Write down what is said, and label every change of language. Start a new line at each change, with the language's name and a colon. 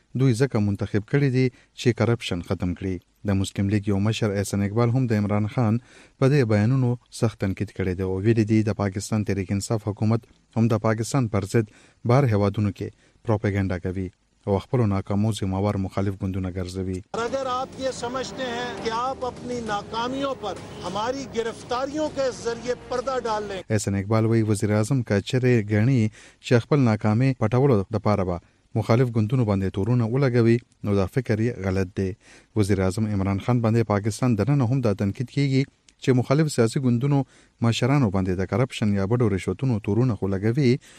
Pashto: دوی ځکه منتخب کړی دي چې کرپشن ختم کړي د مسلم لیگ یو مشر احسن اقبال هم د عمران خان په دې بیانونو سخت تنقید کړی دی او ویل دي د پاکستان تحریک انصاف حکومت هم د پاکستان پر ضد بار هیوادونو کې پروپیگنڈا کوي او خپل ناکامو ذمہ وار مخالف ګوندونه ګرځوي
Urdu: اگر آپ یہ سمجھتے ہیں کہ آپ اپنی ناکامیوں پر ہماری گرفتاریوں کے ذریعے پردہ ڈال لیں
Pashto: احسن اقبال وی وزیر اعظم کا چرے گنی چې خپل ناکامی پټولو د پاره با مخالف ګوندونو باندې تورونه ولګوي نو دا فکر یې غلط دی وزیر اعظم عمران خان باندې پاکستان دننه هم د تنقید کیږي چې مخالف سیاسي ګوندونو مشرانو باندې د کرپشن یا بډو رشوتونو تورونه خو لګوي